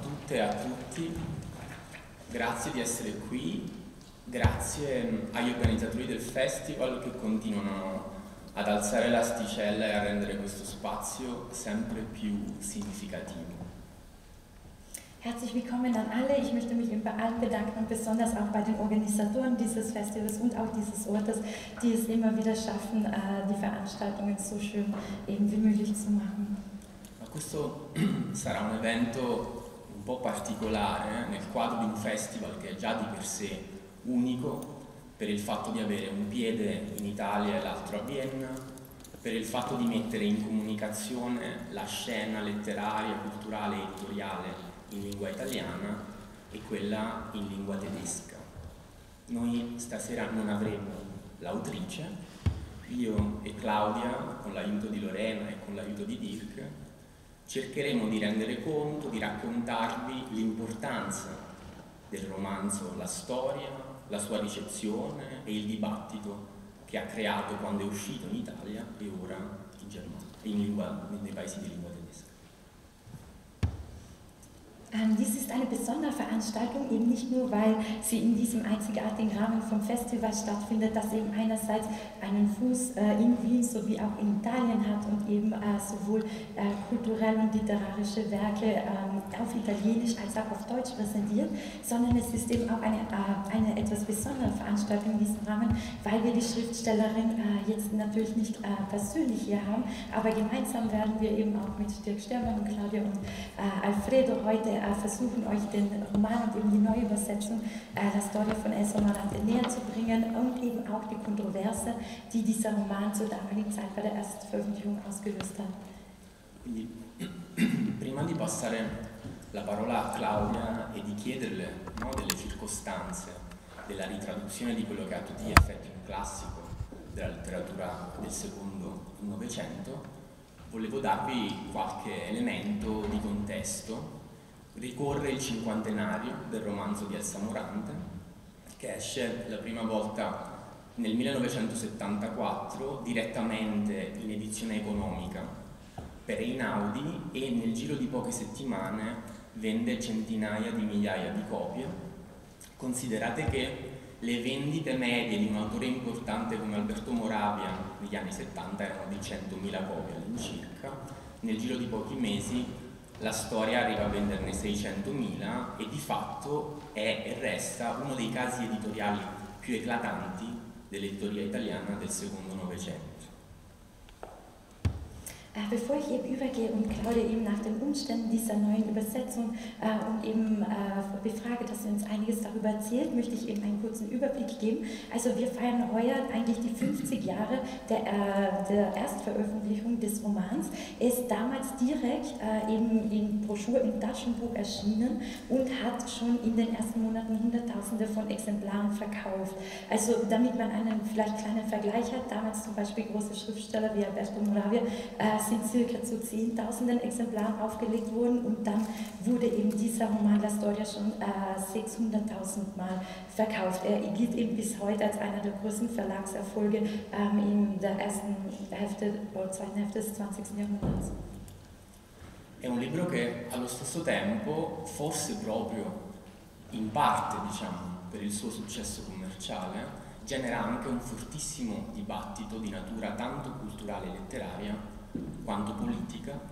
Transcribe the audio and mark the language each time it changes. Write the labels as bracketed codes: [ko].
[it] Grazie di essere qui, grazie agli organizzatori del festival che continuano ad alzare l'asticella e a rendere questo spazio sempre più significativo. [de] Herzlich willkommen an alle. Ich möchte mich bei allen bedanken und besonders auch bei den Organisatoren dieses Festivals und auch dieses Ortes, die es immer wieder schaffen, die Veranstaltungen so schön eben wie möglich zu machen. [it] Ma questo sarà un evento un po' particolare nel quadro di un festival che è già di per sé unico per il fatto di avere un piede in Italia e l'altro a Vienna, per il fatto di mettere in comunicazione la scena letteraria, culturale e editoriale in lingua italiana e quella in lingua tedesca. Noi stasera non avremo l'autrice, io e Claudia, con l'aiuto di Lorena e con l'aiuto di Dirk, cercheremo di rendere conto, di raccontarvi l'importanza del romanzo, la storia, la sua ricezione e il dibattito che ha creato quando è uscito in Italia e ora in Germania, nei paesi di lingua tedesca. [de] Dies ist eine besondere Veranstaltung, eben nicht nur, weil sie in diesem einzigartigen Rahmen vom Festival stattfindet, das eben einerseits einen Fuß in Wien sowie auch in Italien hat und eben sowohl kulturelle und literarische Werke auf Italienisch als auch auf Deutsch präsentiert, sondern es ist eben auch eine etwas besondere Veranstaltung in diesem Rahmen, weil wir die Schriftstellerin jetzt natürlich nicht persönlich hier haben, aber gemeinsam werden wir eben auch mit Dirk Stermann und Claudia und Alfredo heute versuchen euch den Roman und eben die neue Übersetzung, La Storia von Elsa Marante, näher zu bringen und eben auch die Kontroverse, die dieser Roman zur damaligen Zeit bei der ersten Veröffentlichung ausgelöst hat. [it] Quindi, prima di passare la parola a Claudia e di chiederle delle circostanze della ritraduzione di quello che ha tutti gli effetti un classico della letteratura del secondo Novecento, volevo darvi qualche elemento di contesto. Ricorre il cinquantenario del romanzo di Elsa Morante, che esce la prima volta nel 1974 direttamente in edizione economica per Einaudi e nel giro di poche settimane vende centinaia di migliaia di copie. Considerate che le vendite medie di un autore importante come Alberto Moravia negli anni 70 erano di 100.000 copie all'incirca, nel giro di pochi mesi la storia arriva a venderne 600.000 e di fatto è e resta uno dei casi editoriali più eclatanti dell'editoria italiana del secondo Novecento. [de] Bevor ich eben übergehe und Claudia eben nach den Umständen dieser neuen Übersetzung und eben befrage, dass sie uns einiges darüber erzählt, möchte ich eben einen kurzen Überblick geben. Also wir feiern heuer eigentlich die 50 Jahre der Erstveröffentlichung des Romans. Er ist damals direkt eben in Broschüre im Taschenbuch erschienen und hat schon in den ersten Monaten Hunderttausende von Exemplaren verkauft. Also damit man einen vielleicht kleinen Vergleich hat, damals zum Beispiel große Schriftsteller wie Alberto Moravia, sind circa zu 10.000 Exemplaren aufgelegt worden und dann wurde eben dieser Roman La Storia schon 600.000 Mal verkauft. Er gilt eben bis heute als einer der größten Verlagserfolge in der ersten Hälfte oder zweiten Hälfte des 20. Jahrhunderts. [it] È un libro che allo stesso tempo, forse proprio in parte, diciamo, per il suo successo commerciale, genera anche un fortissimo dibattito di natura tanto culturale e letteraria quanto politica.